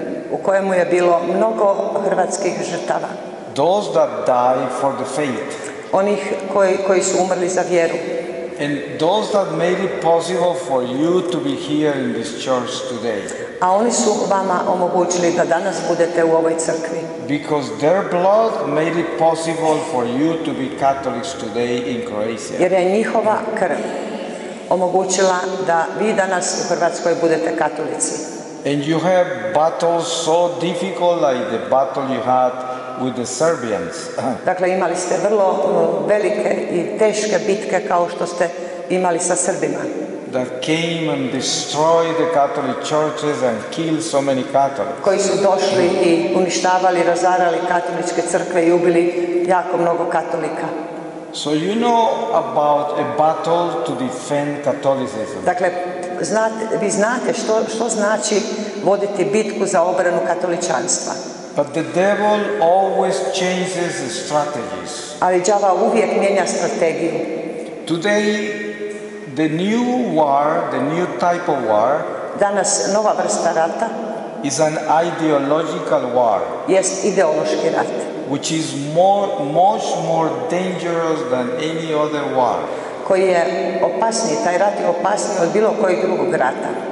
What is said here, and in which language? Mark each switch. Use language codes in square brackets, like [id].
[hr] u kojemu je bilo mnogo hrvatskih žrtava. [en] Those that die for the faith. [hr] Onih koji su umrli za vjeru. [en] And those that made it possible for you to be here in this church today. [hr] A oni su vama omogućili da danas budete u ovoj crkvi. [en] Because their blood made it possible for you to be Catholics today in Croatia. [hr] Jer je njihova krv omogućila da vi danas u Hrvatskoj budete katolici. [en] And you have battles so difficult like the battle you had with the Serbians. [hr] Dakle, imali ste vrlo velike i teške bitke kao što ste imali sa Srbima. [en] That came and destroyed the Catholic churches and killed so many Catholics. [hr] Koji su došli i uništavali, razarali katoličke crkve i ubili jako mnogo katolika. [en] So you know about a battle to defend Catholicism. [hr] Dakle, vi znate što znači voditi bitku za obranu katoličanstva. [en] But the devil always changes his strategies. [hr] Ali đava uvijek mijenja strategiju. [en] Today the new war, the new type of war, [hr] danas nova vrsta rata, [en] is an ideological war. [hr] Jest ideološki rat. [en] Which is much more dangerous than any other war. [hr] Koji je opasniji, taj rat je opasniji od bilo kojeg drugog rata.